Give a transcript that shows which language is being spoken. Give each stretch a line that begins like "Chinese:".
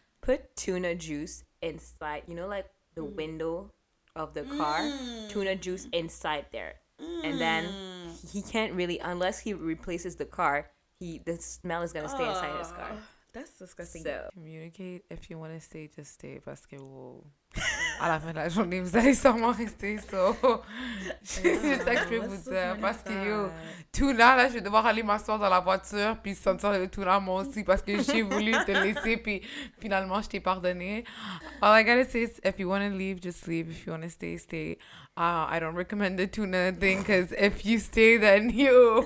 English: Put tuna juice inside, you know, like, the window of the car? Tuna juice inside there. And then he can't really, unless he replaces the car, the smell is going to stay inside his car. That's disgusting. So, communicate. If you want to stay, just stay. Basketball.
French: à la fin de la journée, vous allez sûrement rester. So. C'est ça que je vais vous dire. Parce que yo, Tuna, là, je vais devoir aller m'asseoir dans la voiture puis sentir le Tuna moi aussi parce que j'ai voulu te laisser puis finalement, je t'ai pardonné.
English: All I gotta say is, if you want to leave, just leave. If you want to stay, stay. I don't recommend the Tuna thing because if you stay, then you...